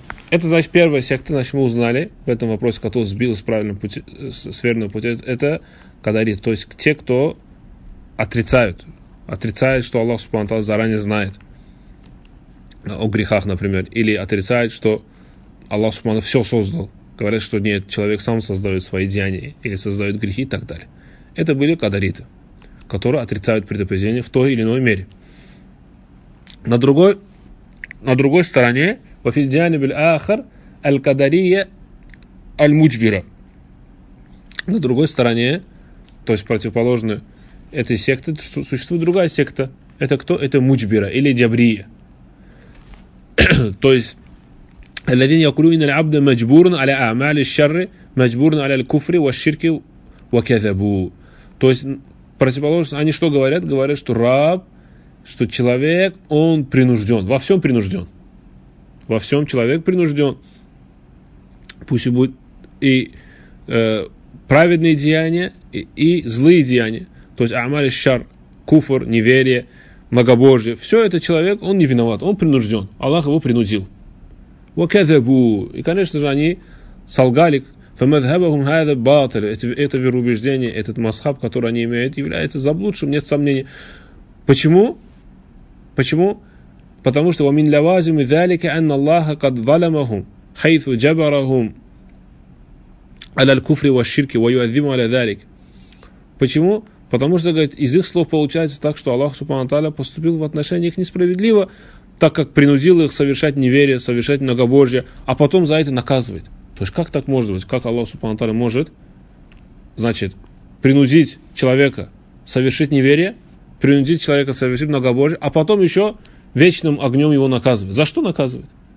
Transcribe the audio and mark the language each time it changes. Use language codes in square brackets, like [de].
[ru] Это, первая секта, мы узнали в этом вопросе, кто сбил с правильного пути, с верного пути, это кадарит, то есть те, кто отрицают, что Аллах субхана ва тааля заранее знает о грехах, например, или отрицают, что Аллах субхана ва тааля все создал, говорят, что нет, человек сам создает свои деяния или создает грехи и так далее. Это были кадариты, которые отрицают предопределение в той или иной мере. На другой стороне, [ar] وفي الجانب الآخر القدرية المجبرة. [ru] На другой стороне, то есть противоположную этой секте, существует другая секта. Это кто? Это муджбира или джабрия. То есть [ar] الذين يقولون إن العبد مجبور على أعمال الشر مجبور على الكفر والشرك وكذبوا. [ru] То есть противоположность. Они что говорят? Говорят, что раб, что человек, он принужден, во всем принужден. Во всем человек принужден, пусть и будет и праведные деяния, и злые деяния, то есть амаль шар, куфр, неверие, многобожие. Все это человек, он не виноват, он принужден, Аллах его принудил. И, конечно же, они солгали. Это вероубеждение, этот масхаб, который они имеют, является заблудшим, нет сомнений. Почему? Почему? Потому что [ar] وَمِنْ لَوَازِمِ ذَلِكَ أَنَّ اللَّهَ قَدْ ظَلَمَهُمْ حَيْثُ جَبَرَهُمْ عَلَى الْكُفْرِ وَالشِّرْكِ وَيُعَذِّمُ عَلَى ذَلِكَ. [ru] Почему? Потому что, говорит, из их слов получается так, что Аллах субхана ва тааля поступил в отношении их несправедливо, так как принудил их совершать неверие, совершать многобожие, а потом за это наказывает. То есть как так может быть? Как Аллах субхана ва тааля может, принудить человека совершить неверие, принудить человека совершить многобожие, а потом еще вечным огнем его наказывает. За что наказывает?